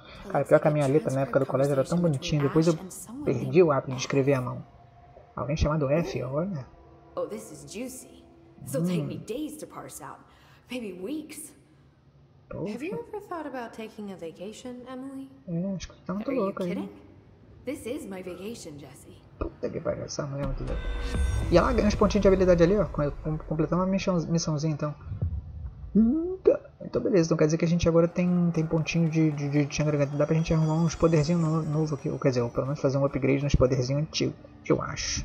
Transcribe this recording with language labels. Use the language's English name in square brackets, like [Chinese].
[Portuguese] Cara, pior que a minha letra na época do colégio era tão bonitinha, depois eu perdi o hábito de escrever à mão. Alguém chamado F, olha. [English] Oh, this is juicy. This will take me days to parse out. Maybe weeks. Have you ever thought about taking a vacation, Emily? Are you kidding? This is my vacation, Jesse. [Portuguese] Puta que pariu, essa mulher é muito louca. E ela ganha uns pontinhos de habilidade ali, ó. Completando a missãozinha, então. Então, beleza. Então, quer dizer que a gente agora tem pontinho de Tchangaragat. Dá pra gente arrumar uns poderzinhos novo aqui. Ou, quer dizer, ou pelo menos fazer um upgrade nos poderzinhos antigos, eu acho.